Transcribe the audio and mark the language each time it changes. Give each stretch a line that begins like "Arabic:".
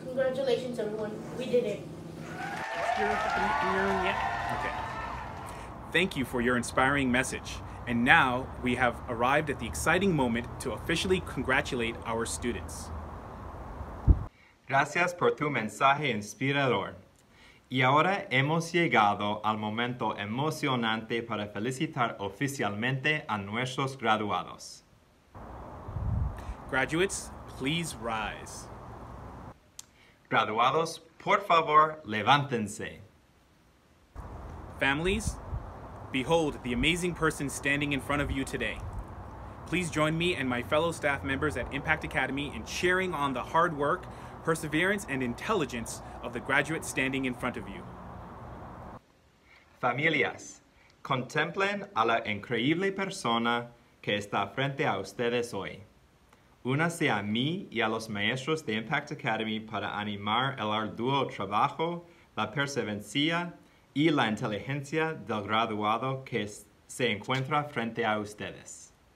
English: Congratulations, everyone. We did it. Okay. Thank you for your inspiring message. And now we have arrived at the exciting moment to officially congratulate our students.
Spanish: Gracias por tu mensaje inspirador. Y ahora hemos llegado al momento emocionante para felicitar oficialmente a nuestros graduados.
English: Graduates, please rise.
Spanish: Graduados, por favor, levántense.
English: Families, behold the amazing person standing in front of you today. Please join me and my fellow staff members at Impact Academy in cheering on the hard work, perseverance and intelligence of the graduate standing in front of you.
Spanish: Familias, contemplen a la increíble persona que está frente a ustedes hoy. Únase a mí y a los maestros de Impact Academy para animar el arduo trabajo, la perseverancia y la inteligencia del graduado que se encuentra frente a ustedes.